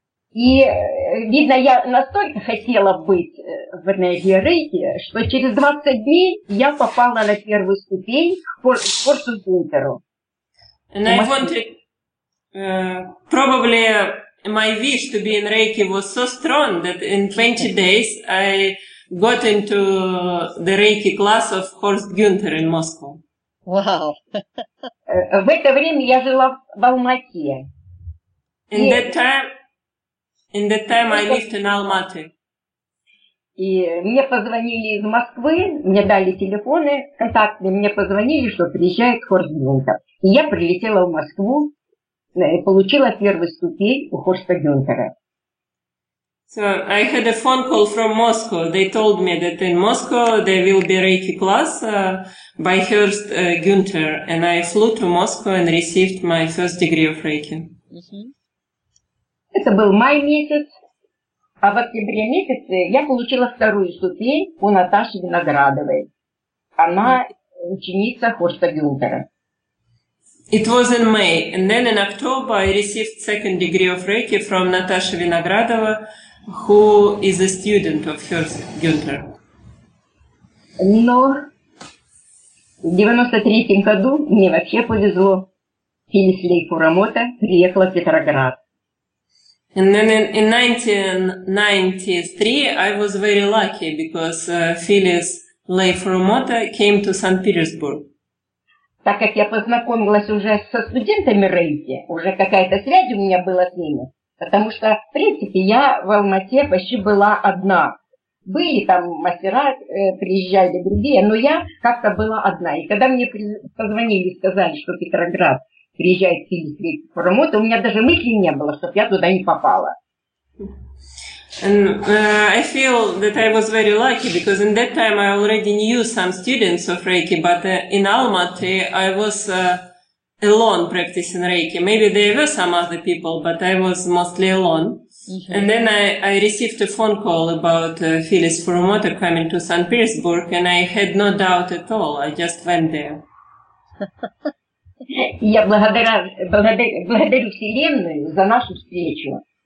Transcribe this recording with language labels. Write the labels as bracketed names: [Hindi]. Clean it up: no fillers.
[Russian] И, видно, я настолько хотела быть в энергии Рейки, что через 20 дней я попала на первую ступень к курсу Гюнтеру. [English] And I wanted, probably my wish to be in Reiki was so strong that in 20 days I got into the Reiki class of Horst Gunther in Moscow. Wow. [Russian] В это время я жила в Алмате. [English] In that time I lived in Almaty. [Russian] И мне позвонили из Москвы, мне дали телефоны контактные, мне позвонили, что приезжает Хорст Гюнтер. И я прилетела в Москву, получила первую ступень у Хорста Гюнтера. [English] So I had a phone call from Moscow. They told me that in Moscow there will be Reiki class by Hurst Günther, and I flew to Moscow and received my first degree of Reiki. Mm-hmm. [Russian] Это был май месяц, а в октябре месяце я получила вторую ступень у Наташи Виноградовой. Она ученица Хорста Гюнтера. [English] It was in May, and then in October I received second degree of Reiki from Natasha Vinogradova, who is a student of Hurst Gunther. [Russian] Но в 93-м году мне вообще повезло. Филис Лей Курамото приехала в Петроград. [English] And then in 1993 I was very lucky, because Филис Лей Курамото came to St. Petersburg. [Russian] Так как я познакомилась уже со студентами Рейки, уже какая-то связь у меня была с ними, потому что, в принципе, я в Алмате почти была одна. Были там мастера, приезжали другие, но я как-то была одна. И когда мне позвонили и сказали, что Петроград приезжает в Филиппинский форумот, у меня даже мысли не было, чтобы я туда не попала. [English] And I feel that I was very lucky, because in that time I already knew some students of Reiki, but in Almaty I was alone practicing Reiki. Maybe there were some other people, but I was mostly alone. Mm-hmm. And then I received a phone call about Филис Курамото coming to St. Petersburg, and I had no doubt at all. I just went there. [Russian] Я благодарю Вселенную за нашу встречу.